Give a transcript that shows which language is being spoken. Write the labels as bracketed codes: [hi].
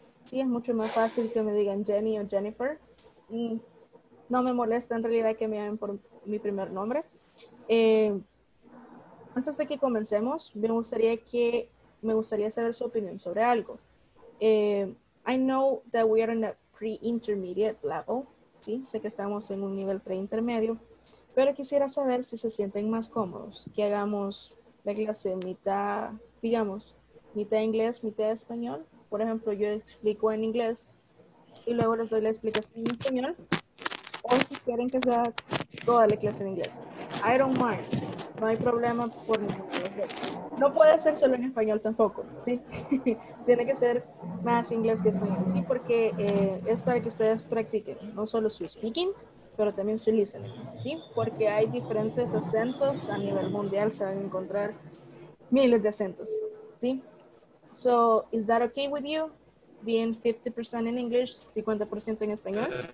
[es] Sí, es mucho más fácil que me digan Jenny o Jennifer. No me molesta en realidad que me llamen por mi primer nombre. Antes de que comencemos, me gustaría saber su opinión sobre algo. [en] I know that we are in a pre-intermediate level. [es] Sí, sé que estamos en un nivel pre-intermedio, pero quisiera saber si se sienten más cómodos que hagamos la clase mitad inglés, mitad español. Por ejemplo, yo explico en inglés y luego les doy la explicación en español. O si quieren que sea toda la clase en inglés. I don't mind. No hay problema por ninguno de los dos. No puede ser solo en español tampoco, ¿sí? Tiene que ser más inglés que español, ¿sí? Porque es para que ustedes practiquen no solo su speaking, pero también su listening, ¿sí? Porque hay diferentes acentos a nivel mundial. Se van a encontrar miles de acentos, ¿sí? [en] So, is that okay with you, being 50% in English, 50% en español?